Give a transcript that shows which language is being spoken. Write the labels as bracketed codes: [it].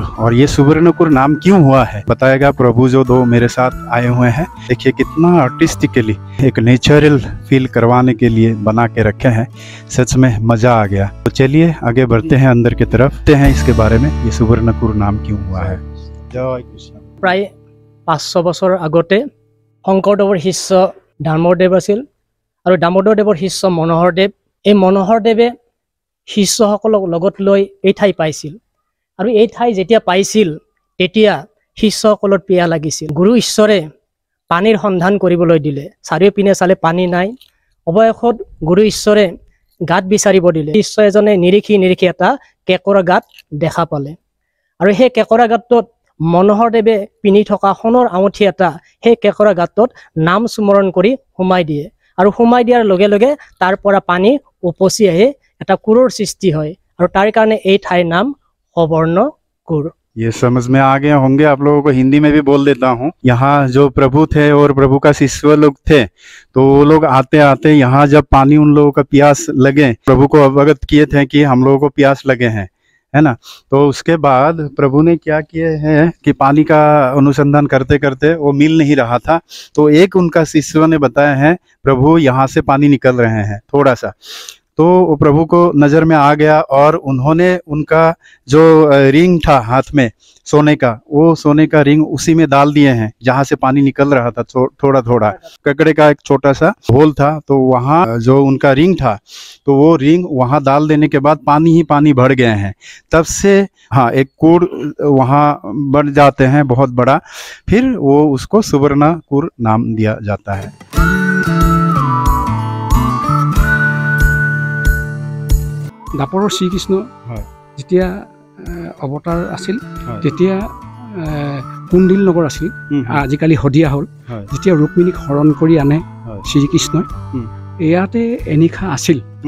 [hi] और ये सुवर्णपुर नाम क्यों हुआ है बताएगा प्रभु जो दो मेरे साथ आए हुए हैं। देखिए कितना आर्टिस्टिकली एक नेचुरल फील करवाने के लिए बना के रखे हैं, सच में मजा आ गया। तो चलिए आगे बढ़ते हैं अंदर की तरफ, देखते हैं इसके बारे में ये सुवर्णपुर नाम क्यों हुआ है। जय कृष्ण। [as] प्राय 500 বছৰ আগতে শংকৰদেৱৰ শিষ্য ধৰ্মদেৱ আছিল আৰু ধৰ্মদেৱৰ শিষ্য মনোহৰদেৱ। এই মনোহৰদেৱে শিষ্যসকলক লগত লৈ এই ঠাই পাইছিল আৰু এই ঠাই যেতিয়া পাইছিল তেতিয়া শিষ্যসকলৰ পিয়াহ লাগিছিল। গুৰু ঈশ্বৰে পানীৰ সন্ধান কৰিবলৈ দিলে, চাৰিওপিনে চালে পানী নাই। অৱশেষত গুৰু ঈশ্বৰে গাঁত বিচাৰিব দিলে। শিষ্য এজনে নিৰিখি নিৰিখি এটা কেঁকৰা গাঁত দেখা পালে আৰু সেই কেঁকৰা গাঁতটোত মনোহৰদেৱে পিন্ধি থকা সোণৰ আঙুঠি এটা সেই কেঁকৰা গাঁতটোত নাম স্মৰণ কৰি সোমাই দিয়ে আৰু সোমাই দিয়াৰ লগে লগে তাৰ পৰা পানী উপচি আহে, এটা কুঁৰৰ সৃষ্টি হয় আৰু তাৰ কাৰণে এই ঠাইৰ নাম সুবৰ্ণপুৰ। [hi] ये समझ में आ गए होंगे आप लोगों को, हिंदी में भी बोल देता हूँ। यहाँ जो प्रभु थे और प्रभु का शिष्य लोग थे तो वो लोग आते आते यहाँ जब पानी उन लोगों का प्यास लगे, प्रभु को अवगत किए थे कि हम लोगों को प्यास लगे हैं, है ना। तो उसके बाद प्रभु ने क्या किए है कि पानी का अनुसंधान करते करते वो मिल नहीं रहा था तो एक उनका शिष्य ने बताया है प्रभु यहाँ से पानी निकल रहे हैं थोड़ा सा, तो वो प्रभु को नजर में आ गया और उन्होंने उनका जो रिंग था हाथ में सोने का, वो सोने का रिंग उसी में डाल दिए हैं जहां से पानी निकल रहा था थोड़ा थोड़ा, ककड़े का एक छोटा सा होल था तो वहां जो उनका रिंग था तो वो रिंग वहां डाल देने के बाद पानी ही पानी भर गए हैं। तब से हाँ एक कुर वहां बढ़ जाते हैं बहुत बड़ा, फिर वो उसको सुवर्णपुर नाम दिया जाता है। [as] দাপৰৰ শ্ৰীকৃষ্ণ যেতিয়া অৱতাৰ আছিল তেতিয়া কুণ্ডিল নগৰ আছিল, আজিকালি শদিয়া হ'ল, যেতিয়া ৰুক্মিণীক হৰণ কৰি আনে শ্ৰীকৃষ্ণই, ইয়াতে এনিশা আছিল।